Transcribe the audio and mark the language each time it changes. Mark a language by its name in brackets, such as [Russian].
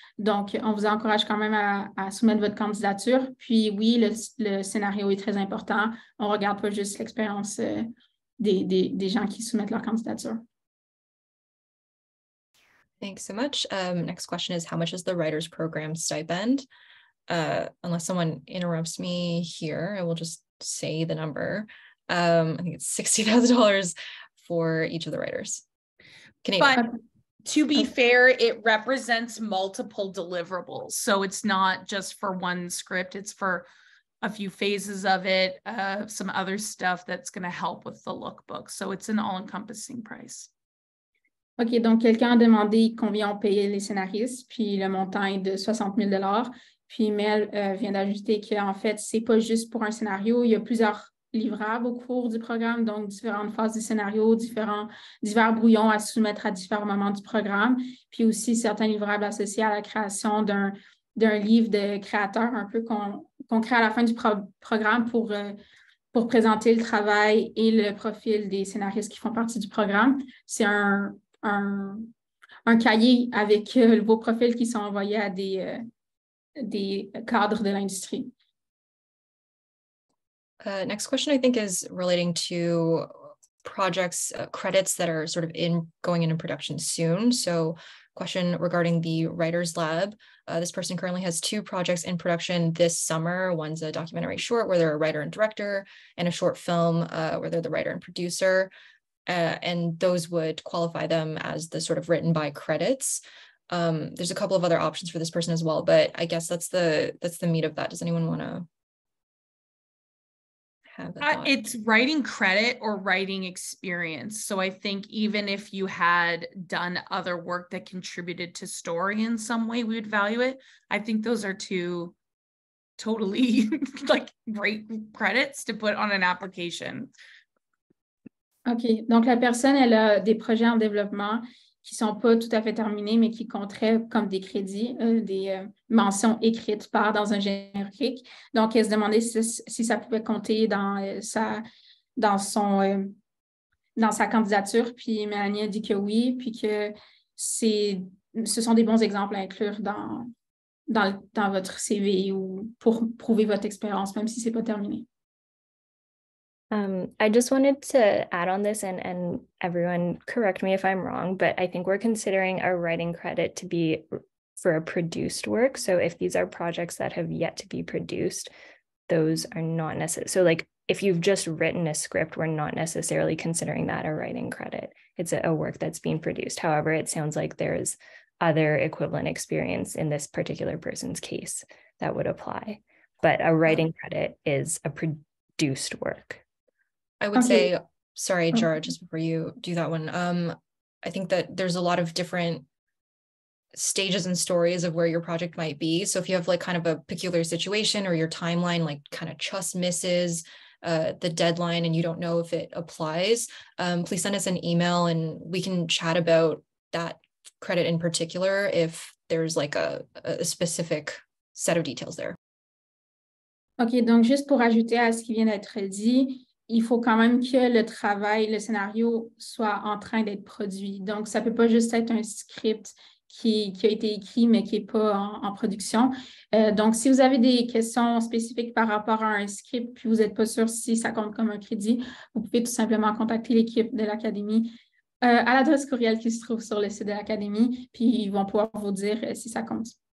[French] Donc, on vous encourage quand même à soumettre votre candidature. Puis oui, le scénario est très important. On ne regarde pas juste l'expérience des gens qui soumettent leur candidature. [English] Thanks so much. Next question is, how much is the writer's program stipend? Unless someone interrupts me here, I will just say the number. I think it's $60,000. For each of the writers. Canadian. But to be fair, it represents multiple deliverables. So it's not just for one script, it's for a few phases of it, some other stuff that's going to help with the lookbook. So it's an all-encompassing price. [French] OK, donc quelqu'un a demandé combien on payait les scénaristes, puis le montant est de $60,000. Puis Mel vient d'ajouter qu'en fait, c'est pas juste pour un scénario, il y a plusieurs livrables au cours du programme, donc différentes phases du scénario, divers brouillons à soumettre à différents moments du programme, puis aussi certains livrables associés à la création d'un livre de créateur un peu qu'on crée à la fin du programme pour présenter le travail et le profil des scénaristes qui font partie du programme. C'est un cahier avec vos profils qui sont envoyés à des cadres de l'industrie. [English] Next question, I think, is relating to projects, credits that are sort of going into production soon. So question regarding the Writers Lab. This person currently has two projects in production this summer. One's a documentary short where they're a writer and director, and a short film where they're the writer and producer. And those would qualify them as the sort of written by credits. There's a couple of other options for this person as well, but I guess that's the meat of that. Does anyone want to have it? It's writing credit or writing experience. So I think even if you had done other work that contributed to story in some way, we would value it. I think those are two totally like great credits to put on an application. [French] OK, donc la personne, elle a des projets en développement qui ne sont pas tout à fait terminés, mais qui compteraient comme des crédits, des mentions écrites par dans un générique. Donc, elle se demandait si ça pouvait compter dans sa candidature. Puis Mélanie a dit que oui, puis que ce sont des bons exemples à inclure dans votre CV ou pour prouver votre expérience, même si ce n'est pas terminé. [English] I just wanted to add on this, and everyone correct me if I'm wrong, but I think we're considering a writing credit to be for a produced work. So if these are projects that have yet to be produced, those are not necessary. So like if you've just written a script, we're not necessarily considering that a writing credit. It's a work that's being produced. However, it sounds like there is other equivalent experience in this particular person's case that would apply. But a writing credit is a produced work. I would say, sorry, Jara, just before you do that one, I think that there's a lot of different stages and stories of where your project might be. So if you have like kind of a peculiar situation or your timeline like kind of just misses the deadline and you don't know if it applies, please send us an email and we can chat about that credit in particular if there's like a specific set of details there. [French] Okay, donc juste pour ajouter à ce qui vient d'être dit, il faut quand même que le travail, le scénario soit en train d'être produit. Donc, ça ne peut pas juste être un script qui a été écrit, mais qui n'est pas en production. Donc, si vous avez des questions spécifiques par rapport à un script, puis vous n'êtes pas sûr si ça compte comme un crédit, vous pouvez tout simplement contacter l'équipe de l'Académie à l'adresse courriel qui se trouve sur le site de l'Académie, puis ils vont pouvoir vous dire si ça compte.